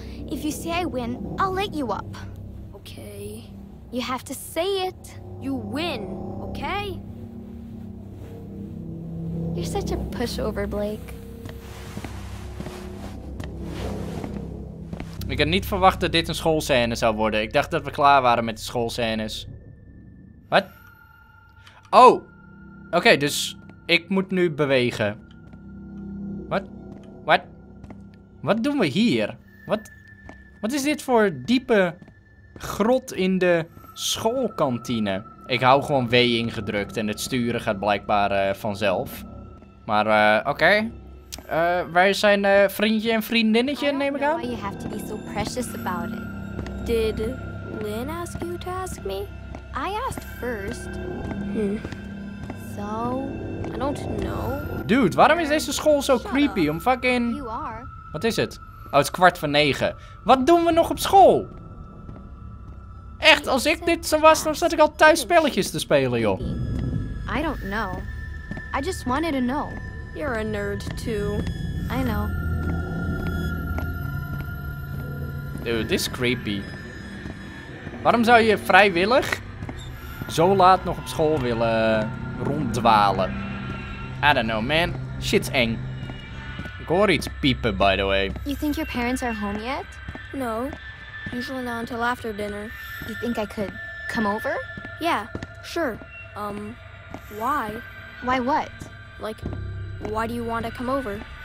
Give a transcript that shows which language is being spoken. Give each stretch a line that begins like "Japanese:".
English: If you say I win, I'll let you up. Okay. You have to say it. You win, okay? You're such a pushover, Blake.
Dutch: Ik had niet verwacht dat dit een schoolscène zou worden. Ik dacht dat we klaar waren met de schoolscènes. Wat? Oh! Oké, okay, dus ik moet nu bewegen. Wat? Wat? Wat doen we hier? Wat? Wat is dit voor diepe grot in de schoolkantine? Ik hou gewoon W ingedrukt en het sturen gaat blijkbaar vanzelf. Maar oké. Okay. Waar is zijn vriendje en vriendinnetje, neem ik aan?
English: Why you have to be so precious about it. Did Lin ask you to ask me? I asked first. So, I don't know.
Dutch: Dude, waarom is deze school zo
English: Shut
Dutch: creepy
English: up.
Dutch: Om fucking...
English: You are.
Dutch: Wat is het? Oh, het is 8:45. Wat doen we nog op school? Echt, als ik dit zo was, dan zat ik al thuis spelletjes te spelen, joh.
English: I don't know. I just wanted to know. You're a nerd, too. I know. Dude, this is creepy.
Dutch: Waarom zou je vrijwillig zo laat nog op school willen ronddwalen?
English: I don't know, man. Shit's
Dutch: eng. Ik hoor iets piepen,
English: by the way. You think your parents are home yet? No. Usually not until after dinner. You think I could come over? Yeah, sure. Why? Why what? Like, why do you want to come over?